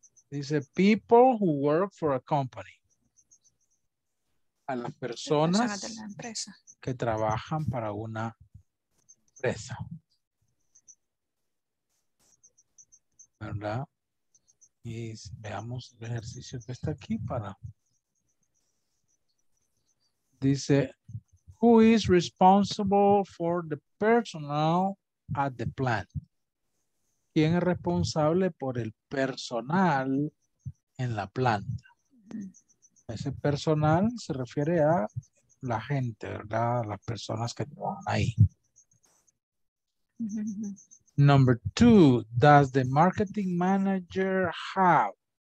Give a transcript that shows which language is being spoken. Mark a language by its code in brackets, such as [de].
[es] Dice [en] people who work for a company. [es] A las personas de la empresa que trabajan para una empresa. ¿Verdad? Y veamos el ejercicio que está aquí para. Dice, [en] who is responsible for the personnel at the plant? [es] ¿Quién es responsable por el personal en la planta? Ese personal se refiere a la gente, ¿verdad? Las personas que trabajan ahí. [en] Number two, does the marketing manager have?